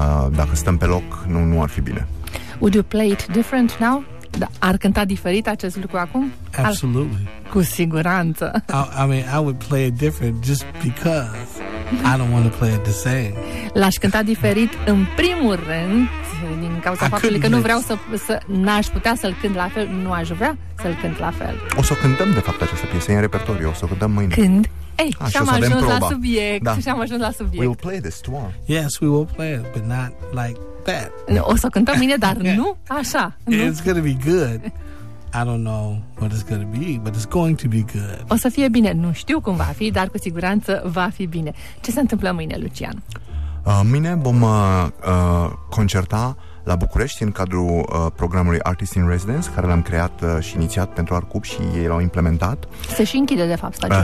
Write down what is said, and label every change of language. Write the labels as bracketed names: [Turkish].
[Romanian] Dacă stăm pe loc, nu ar fi bine. [English] Would you play it different now? [Romanian] Ar cânta diferit acest lucru acum? [English] Absolutely. [Romanian] Cu siguranță. [English] I would play it different just because I don't want to play it the same. [Romanian] L-aș cânta diferit în primul rând din cauza faptului că nu vreau să n-aș putea să-l cânt la fel, nu aș vrea să-l cânt la fel. O să cântăm de fapt această piesă în repertoriu, o să o cântăm mâine. Când? Și am ajuns la subiect. [English] We will play this tomorrow. Yes, we will play it, but not like that. [Romanian] O să cântăm mine, dar nu așa. [English] It's going to be good. I don't know what it's going to be, but it's going to be good. [Romanian] O să fie bine. Nu știu cum va fi, dar cu siguranță va fi bine. Ce se întâmplă mâine, Lucian? Mâine vom concerta la București în cadrul programului Artist in Residence, care l-am creat și inițiat pentru Arcup și ei l-au implementat. Se și închide, de fapt, stagiunea.